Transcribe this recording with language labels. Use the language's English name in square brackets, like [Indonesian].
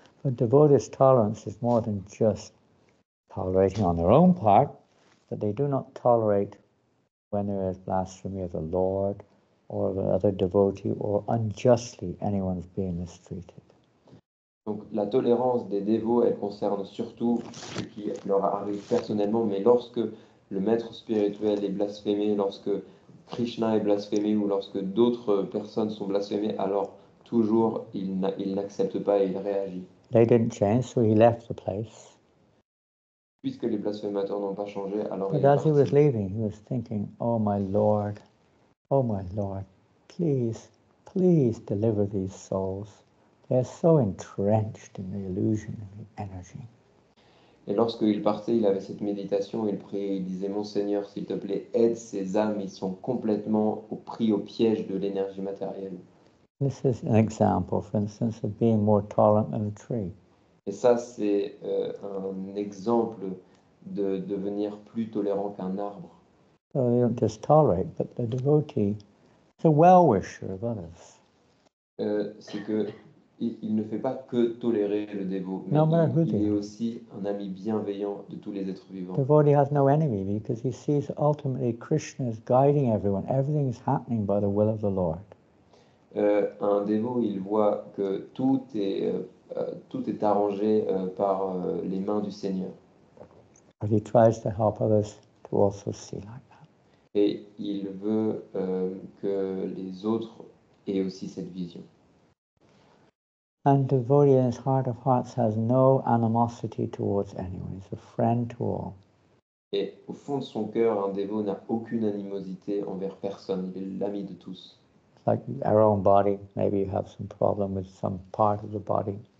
[English] But devotees' tolerance is more than just tolerating on their own part, but they do not tolerate when there is blasphemy of the Lord or of another devotee or unjustly anyone's being mistreated. [French] Donc la tolérance des dévots, elle concerne surtout ce qui leur arrive personnellement, mais lorsque le maître spirituel est blasphémé, lorsque Krishna est blasphémé ou lorsque d'autres personnes sont blasphémées, alors toujours il n'accepte pas et il réagit. [English] They didn't change, so he left the place. [French] Puisque les blasphémateurs n'ont pas changé, alors [English] but [French] il est parti. [English] As he was leaving, he was thinking, oh my Lord, please, please deliver these souls. They're so entrenched in the illusion and the energy. [French] Et lorsqu'il partait, il avait cette méditation, il priait, il disait, mon Seigneur, s'il te plaît, aide ces âmes, ils sont complètement pris au piège de l'énergie matérielle. [English] This is an example, for instance, of being more tolerant than a tree. [French] Et ça, c'est un exemple de devenir plus tolérant qu'un arbre. [English] So they don't just tolerate, but the devotee is a well-wisher of others. [French] C'est que il ne fait pas que tolérer le dévot, mais il est aussi un ami bienveillant de tous les êtres vivants. [English] The devotee has no enemy because he sees ultimately Krishna is guiding everyone. Everything is happening by the will of the Lord. [French] Un dévot, il voit que tout est arrangé par les mains du Seigneur. [English] And he tries to help others to also see like that. [French] Et il veut que les autres aient aussi cette vision. [English] And the devotee in his heart of hearts has no animosity towards anyone. He's a friend to all. [French] Et au fond de son cœur, un dévot n'a aucune animosité envers personne. Il est l'ami de tous. [English] Like our own body, maybe you have some problem with some part of the body.